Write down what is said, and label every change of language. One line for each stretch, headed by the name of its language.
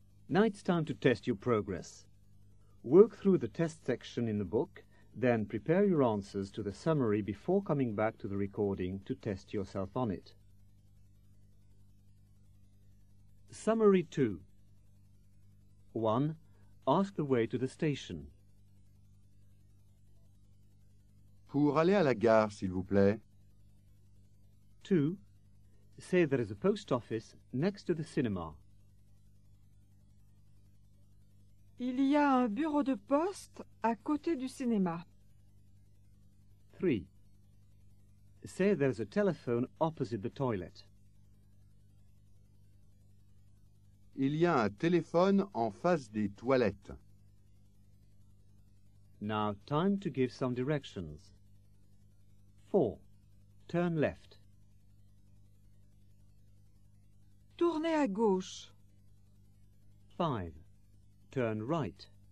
English: Now it's time to test your progress. Work through the test section in the book, then prepare your answers to the summary before coming back to the recording to test yourself on it. Summary 2. 1. Ask the way to the station.
French: Pour aller à la gare, s'il vous plaît.
English: 2. Say there is a post office next to the cinema.
French: Il y a un bureau de poste à côté du cinéma.
English: 3. Say there's a telephone opposite the toilet.
French: Il y a un téléphone en face des toilettes.
English: Now, time to give some directions. 4. Turn left.
French: Tournez à gauche.
English: 5. Turn right.